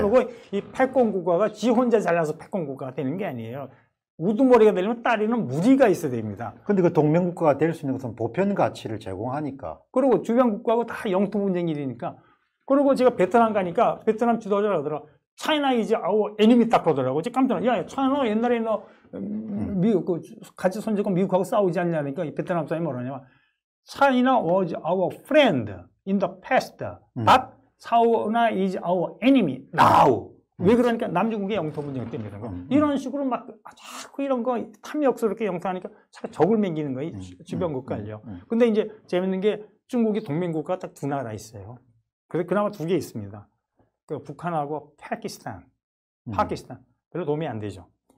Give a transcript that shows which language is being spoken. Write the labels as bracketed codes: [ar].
[ko] 그리고 이 패권 국가가 지 혼자 잘나서 패권 국가가 되는 게 아니에요. 우두머리가 되려면 딸이는 무리가 있어야 됩니다. 그런데 그 동맹국가가 될 수 있는 것은 보편 가치를 제공하니까. 그리고 주변 국가하고 다 영토 분쟁 일이니까. 그리고 제가 베트남 가니까 베트남 지도자가 그러더라. [en] China is our enemy [ko] 딱 그러더라고. 제가 깜짝 놀라. 야, China 옛날에 너 미국 그 같이 손잡고 미국하고 싸우지 않냐니까 이 베트남 사람이 뭐라냐. [en] China was our friend in the past, but China is our enemy now. [ko] 왜 그러니까 남중국의 영토 분쟁 때문에 그런 거. 이런 식으로 막 자꾸 이런 거 탐욕스럽게 영토하니까 자꾸 적을 맹기는 거예요. 주변 국가를요. 근데 이제 재밌는 게 중국이 동맹국가 딱 두 나라 있어요. 그래서 그나마 두 개 있습니다. 그 북한하고 파키스탄. 파키스탄. 별로 도움이 안 되죠.